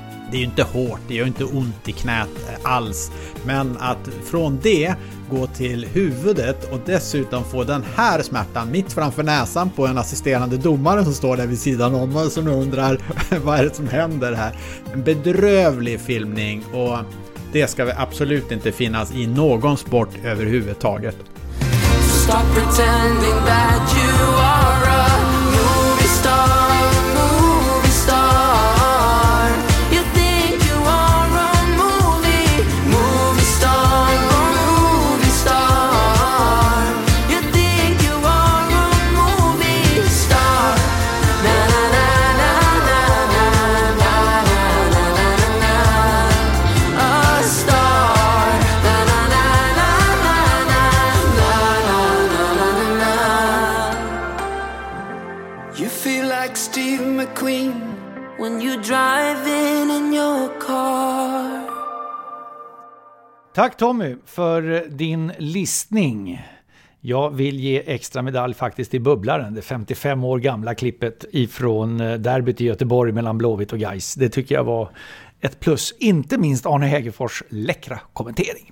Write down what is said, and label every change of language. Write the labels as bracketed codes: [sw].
[sv] Det är ju inte hårt, det gör inte ont i knät alls. Men att från det gå till huvudet och dessutom få den här smärtan mitt framför näsan på en assisterande domare som står där vid sidan om och som undrar vad är det som händer här. En bedrövlig filmning, och det ska väl absolut inte finnas i någon sport överhuvudtaget. [en] Stop pretending that you are a movie star, movie star. You think you are a movie, movie star, movie star. You think you are a movie star. Na na na na na na na na na na na. A star. Na na na na na na na na na na na. You feel like Steve McQueen when you drive in your car. [sv] Tack Tommy för din listning. Jag vill ge extra medalj faktiskt till Bubblaren, det 55 år gamla klippet ifrån derbyt i Göteborg mellan Blåvitt och Gais. Det tycker jag var ett plus, inte minst Arne Hegerfors läckra kommentering.